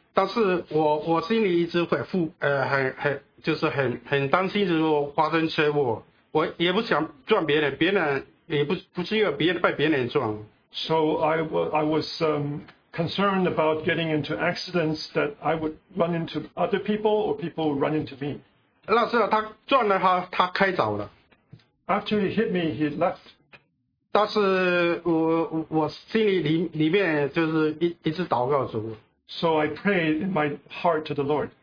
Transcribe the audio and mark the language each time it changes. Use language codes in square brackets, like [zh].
[zh] 但是我心里一直很担心就是说发生车祸，我也不想撞别人，别人也不是要被别人撞。 [en] So I was concerned about getting into accidents that I would run into other people or people would run into me. [zh] 那时候他撞了他开走了。 [en] After he hit me, he left. [zh] 但是我心里里面就是一直祷告主。 [en] So I prayed in my heart to the Lord.